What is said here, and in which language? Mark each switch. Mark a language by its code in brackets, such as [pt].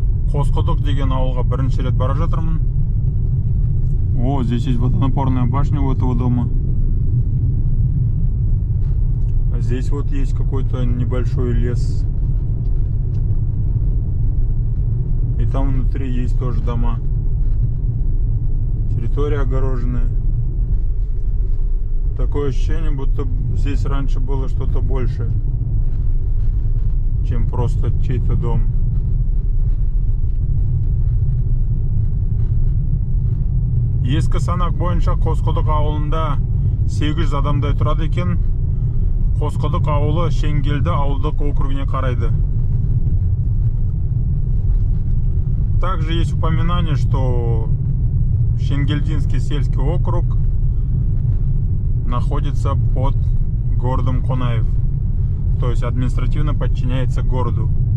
[kk] Косқұдық деген ауылға бірінші рет бара жатырмын. [ru] О, здесь есть водонапорная башня у этого дома. А здесь вот есть какой-то небольшой лес. И там внутри есть тоже дома. Территория огороженная. Такое ощущение, будто здесь раньше было что-то большее, чем просто чей-то дом. [kk] Ескі санақ бойынша Қосқұдық ауылында 800 адамдай тұрады екен. Қосқұдық ауылы Шенгелді ауылдық округіне қарайды. [ru] Также есть упоминание, что Шенгелдинский сельский округ находится под городом Қонаев. То есть административно подчиняется городу.